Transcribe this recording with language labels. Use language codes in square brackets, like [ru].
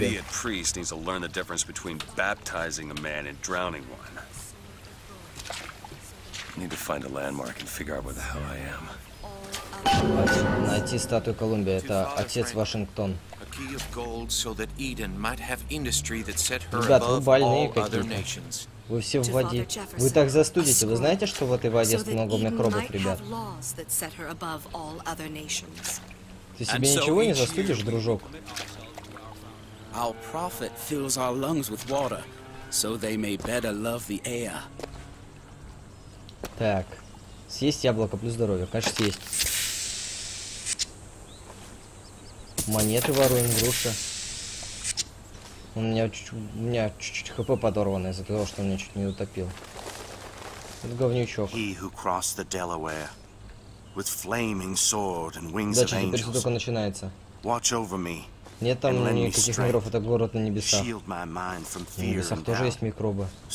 [en] That idiot priest needs to learn the difference between baptizing a man and drowning one. Need to find a landmark and figure out where the hell I am. [ru] Найти статую Колумбия. Это отец Вашингтон. Ребят, вы больные какие-то. Вы все в воде. Вы так застудите. Вы знаете, что в этой воде много микробов, ребят? Ты себе ничего не застудишь, дружок? [en] Our prophet fills our lungs with water, so they may better love the air. [ru] Так, съесть яблоко плюс здоровье, конечно, съесть. Монеты воруем, груша. У меня чуть-чуть ХП подорвано из-за того, что он меня чуть не утопил. Это говнючок. [en] He who crossed the Delaware with flaming sword and wings of angels. [ru] Дальше только начинается. [en] Watch over me. [ru] Нет там никаких микробов, это город на небесах. На небесах тоже есть микробы.